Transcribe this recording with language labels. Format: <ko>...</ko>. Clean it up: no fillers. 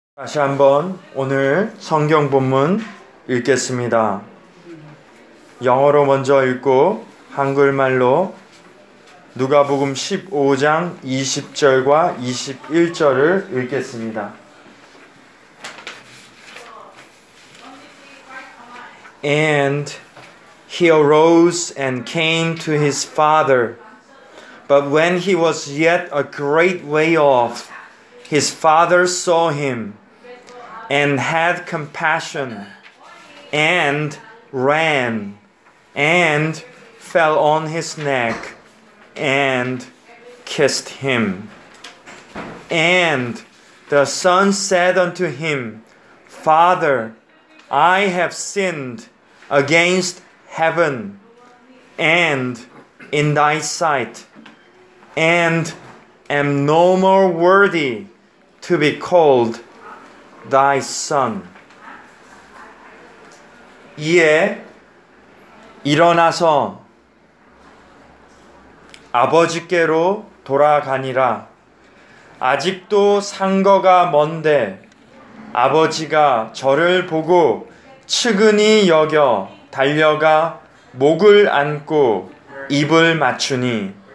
<ko>다시 한번 오늘 성경 본문 읽겠습니다. 영어로 먼저 읽고 한글말로 누가복음 15장 20절과 21절을 읽겠습니다.</ko> <en>And he arose and came to his father. But when he was yet a great way off, his father saw him and had compassion, and ran, and fell on his neck, and kissed him. And the son said unto him, Father, I have sinned against heaven, and in thy sight, and am no more worthy to be called thy son.</en> <ko>이에 일어나서 아버지께로 돌아가니라. 아직도 상거가 먼데 아버지가 저를 보고 측은히 여겨 달려가 목을 안고 입을 맞추니</ko>